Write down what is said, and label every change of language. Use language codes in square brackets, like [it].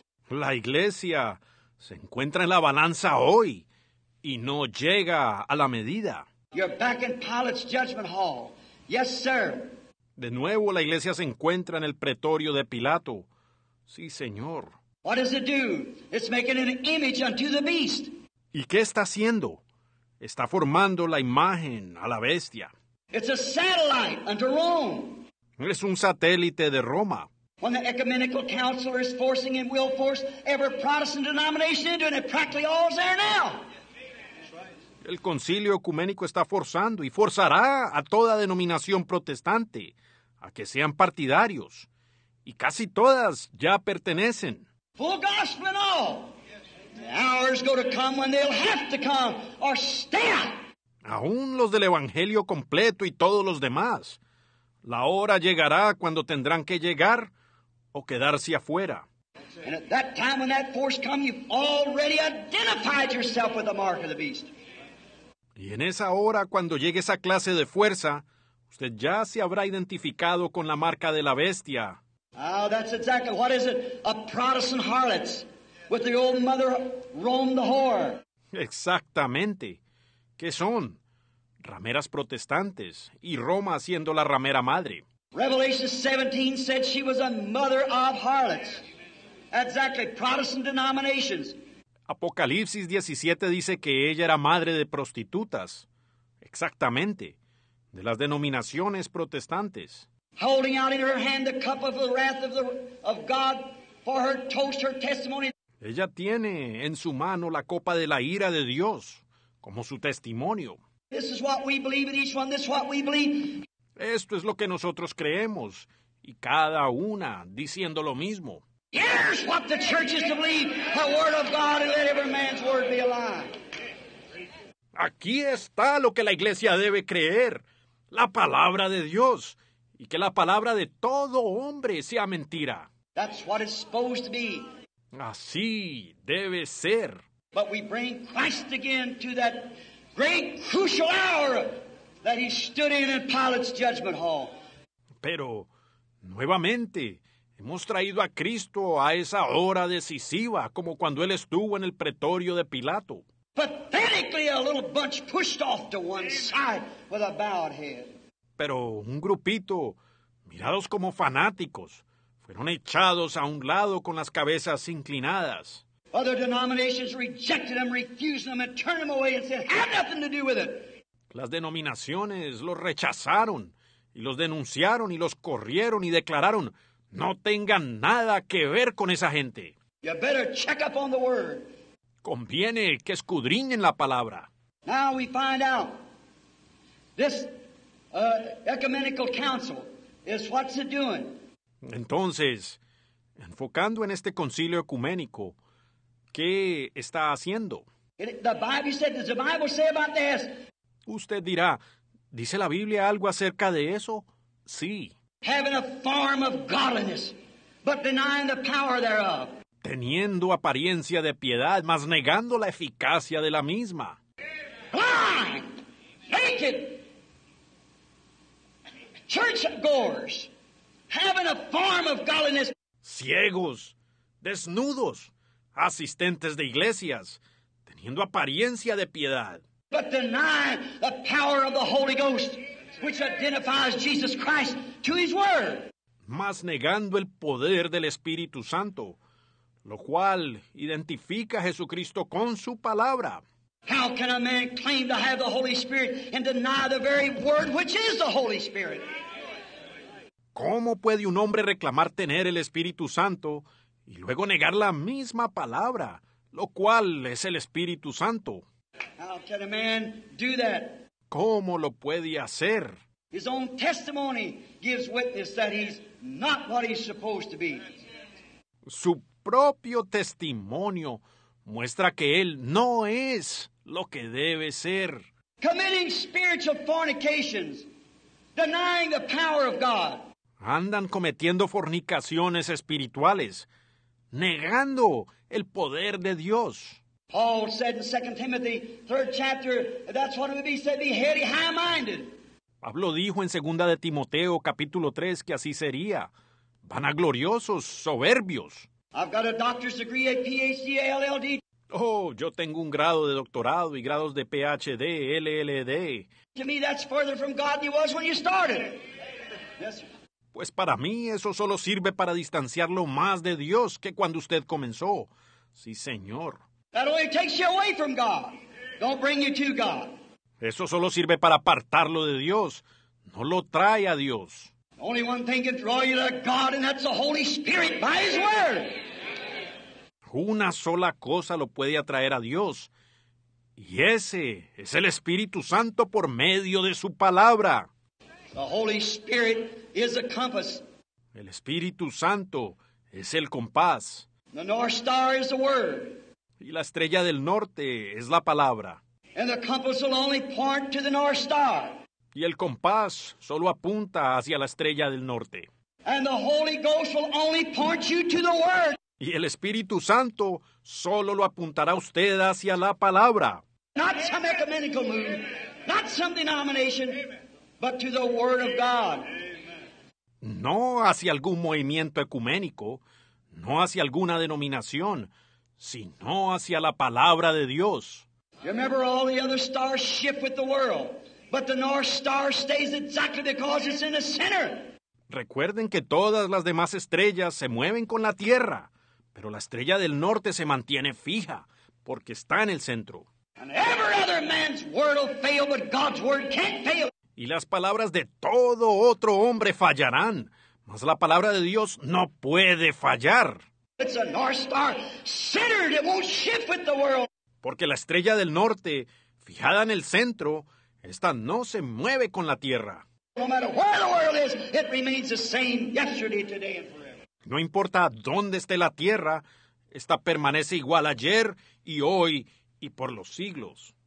[es] La iglesia se encuentra en la balanza hoy y no llega a la medida. [en] You're back in Pilate's judgment hall. Yes, sir. [es] De nuevo la iglesia se encuentra en el pretorio de Pilato. Sí, señor. [en] What does it do? It's making an image unto the beast. [es] ¿Y qué está haciendo? Está formando la imagen a la bestia. [en] It's a satellite unto Rome. [es] Es un satélite de Roma. [en] When the ecumenical council is forcing and will force every Protestant denomination into it, and practically all is there now. [es] El concilio ecuménico está forzando y forzará a toda denominación protestante a que sean partidarios. Y casi todas ya pertenecen. [en] Full gospel and all. The hours go to come when they'll have to come or stay out. [es] Aún los del evangelio completo y todos los demás. La hora llegará cuando tendrán que llegar o quedarse afuera. [en] And at that time when that force comes, you've already identified yourself with the mark of the beast. [es] Y en esa hora, cuando llegue esa clase de fuerza, usted ya se habrá identificado con la marca de la bestia. [en] Oh, that's exactly, what is it? A Protestant harlot with the old mother Rome the whore. [es] Exactamente. ¿Qué son? Rameras protestantes y Roma siendo la ramera madre. [en] Revelation 17 said she was a mother of harlots. Exactly, Protestant denominations. [es] Apocalipsis 17 dice que ella era madre de prostitutas. Exactamente, de las denominaciones protestantes. [en] Holding out in her hand the cup of the wrath of God for her toast, her testimony. [es] Ella tiene en su mano la copa de la ira de Dios como su testimonio. [en] This is what we believe in each one. This is what we believe. [es] Esto es lo que nosotros creemos y cada una diciendo lo mismo. [en] Here's what the church is to believe, the word of God, and let every man's word be a lie. [es] Aquí está lo que la iglesia debe creer, la palabra de Dios, y que la palabra de todo hombre sea mentira. [en] That's what it's supposed to be. [es] Así debe ser. [en] But we bring Christ again to that great crucial hour that he stood in Pilate's judgment hall. [es] Pero nuevamente hemos traído a Cristo a esa hora decisiva, como cuando él estuvo en el pretorio de Pilato. [en] Pathetically, a little bunch pushed off to one side with a bowed head. [es] Pero un grupito, mirados como fanáticos, fueron echados a un lado con las cabezas inclinadas. [en] Other denominations rejected them, refused them, and turned them away and said, "Have nothing to do with it." [es] Las denominaciones los rechazaron y los denunciaron y los corrieron y declararon, "No tengan nada que ver con esa gente." [en] You better check up on the word. [es] Conviene que escudriñen la palabra. [en] Now we find out this ecumenical council is what's it doing. [es] Entonces, enfocando en este concilio ecuménico, ¿qué está haciendo? [en] The Bible said, does the Bible say about this? [es] Usted dirá, ¿dice la Biblia algo acerca de eso? Sí. [en] Having a form of godliness, but denying the power thereof. [es] teniendo apariencia de piedad, mas negando la eficacia de la misma. [en] Blind, naked, churchgoers, having a form of godliness. [es] Ciegos, desnudos, asistentes de iglesias, teniendo apariencia de piedad. [en] But deny the power of the Holy Ghost, which identifies Jesus Christ to his word. [es] Mas negando el poder del Espíritu Santo, lo cual identifica a Jesucristo con su palabra. [en] How can a man claim to have the Holy Spirit and deny the very word which is the Holy Spirit? [es] ¿Cómo puede un hombre reclamar tener el Espíritu Santo y luego negar la misma palabra, lo cual es el Espíritu Santo? [en] How can a man do that? [es] ¿Cómo lo puede hacer? [en] His own testimony gives witness that he's not what he's supposed to be. [es] Su propio testimonio muestra que él no es lo que debe ser. [en] Committing spiritual fornications, denying the power of God. [es] Andan cometiendo fornicaciones espirituales, negando el poder de Dios. [en] Paul said in 2 Timothy, 3rd chapter, that's what it would be, said, be heady, high-minded. [es] Pablo dijo en 2 de Timoteo, capítulo 3, que así sería, vanagloriosos, soberbios. [en] I've got a doctor's degree, a PhD, a LLD. [es] Oh, yo tengo un grado de doctorado y grados de PhD, LLD. [en] To me, that's further from God than it was when you started. Yes, sir. [es] Pues para mí eso solo sirve para distanciarlo más de Dios que cuando usted comenzó. Sí, señor. [en] That only takes you away from God. Don't bring you to God. [es] Eso solo sirve para apartarlo de Dios. No lo trae a Dios. [en] Only one thing can draw you to God, and that's the Holy Spirit by His Word. [es] Una sola cosa lo puede atraer a Dios, y ese es el Espíritu Santo por medio de su palabra. [en] The Holy Spirit is a compass. [es] El Espíritu Santo es el compás. [en] The North Star is the Word. [es] Y la estrella del norte es la palabra. [en] And the compass will only point to the North Star. [es] Y el compás solo apunta hacia la estrella del norte. [en] And the Holy Ghost will only point you to the Word. [es] Y el Espíritu Santo solo lo apuntará usted hacia la palabra. [en] Not some ecumenical move, not some denomination, but to the Word of God. [es] No hacia algún movimiento ecuménico, no hacia alguna denominación, sino hacia la palabra de Dios. [en] You remember all the other stars shift with the world, but the North Star stays exactly because it's in the center. [es] Recuerden que todas las demás estrellas se mueven con la Tierra, pero la estrella del norte se mantiene fija porque está en el centro. [en] And every other man's word will fail, but God's word can't fail. [es] Y las palabras de todo otro hombre fallarán, mas la palabra de Dios no puede fallar. [en] It's a North Star centered, it won't shift with the world. [es] Porque la estrella del norte, fijada en el centro, esta no se mueve con la tierra. [en] No matter where the world is, it remains the same yesterday, today, and forever. [es] No importa dónde esté la tierra, esta permanece igual ayer y hoy y por los siglos.